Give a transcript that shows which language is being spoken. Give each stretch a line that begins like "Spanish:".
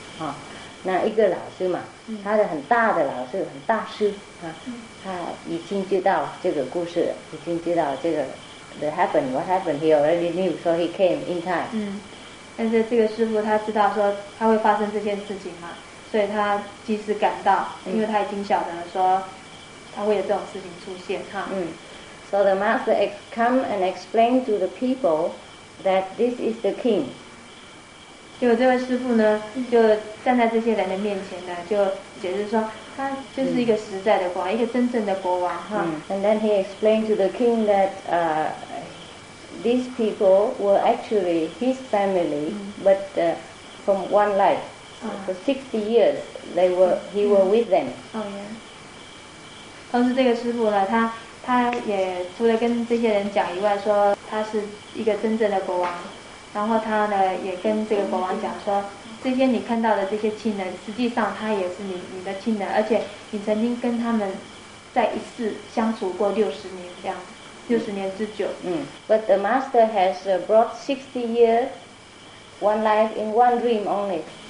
Chinese: 啊，那一个老师嘛，他的很大的老师，很大师啊，他已经知道这个故事，已经知道这个。
English: What happened? He already knew, so he came in time.
Chinese: 嗯，但是这个师父他知道说他会发生这件事情嘛，所以他及时赶到，因为他已经晓得说他会有这种事情出现哈。嗯。
English: So the master come and explain to the people that this is the king.
Chinese: 就这位师父呢，就站在这些人的面前呢，就解释说。他就是一个实在的国王，一个真正的国王哈。
English: And then he explained to the king that these people were actually his family, but from one life. For 60 years, he were with them.
Chinese: 同时这个师父呢，他也除了跟这些人讲以外，说他是一个真正的国王，然后他呢也跟这个国王讲说。这些你看到的这些亲人，实际上他也是你的亲人，而且你曾经跟他们在一世相处过60年这样，60年之久。
English: But the master has brought 60 years, one life in one dream only.